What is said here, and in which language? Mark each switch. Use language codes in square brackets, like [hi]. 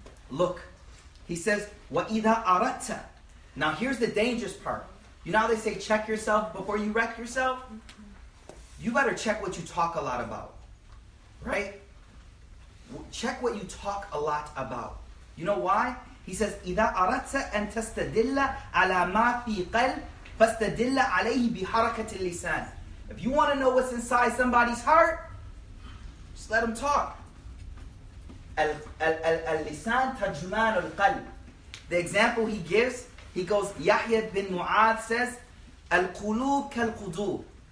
[en] Look. He says, [ar] وَإِذَا أَرَدْتَ. [en] Now here's the dangerous part. You know how they say check yourself before you wreck yourself? You better check what you talk a lot about. Right? Check what you talk a lot about. You know why? He says, [ar] إِذَا أَرَدْتَ أَن تَسْتَدِلَّ عَلَى مَا فِي قَلْبٍ فَاسْتَدِلَّ عَلَيْهِ بِحَرَكَةِ اللِّسَانِ. [en] If you want to know what's inside somebody's heart, just let them talk. [ar] اللسان ترجمان القلب. [en] The example he gives, he goes, Yahya bin Mu'adh says, [ar] القلوب كالقدوب.